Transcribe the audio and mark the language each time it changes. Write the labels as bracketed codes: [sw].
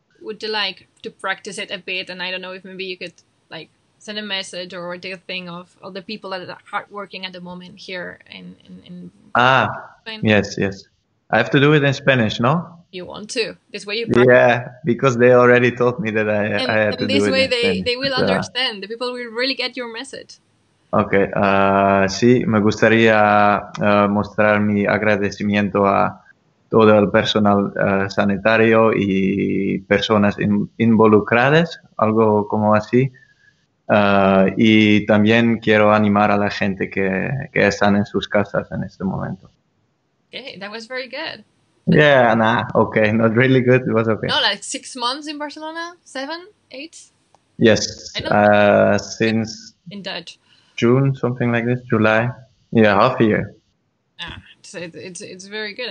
[en] Would you like to practice it a bit? And I don't know if maybe you could like send a message or do a thing of all the people that are hardworking at the moment here in Ah, Spain. Yes. I have to do it in Spanish, no? You want to. This way you practice. Yeah, because they already told me that I have to do it in Spanish. And this way they will understand. The people will really get your message. [es] Okay, sí, me gustaría mostrar mi agradecimiento a todo el personal sanitario y personas involucradas, algo como así. Y también quiero animar a la gente que están en sus casas en este momento. [en] Okay, that was very good. Yeah, nah, okay, not really good, it was okay. No, like 6 months in Barcelona? 7, 8? Yes, since... In Dutch. June, something like this, July. Yeah, half a year. Ah, it's very good.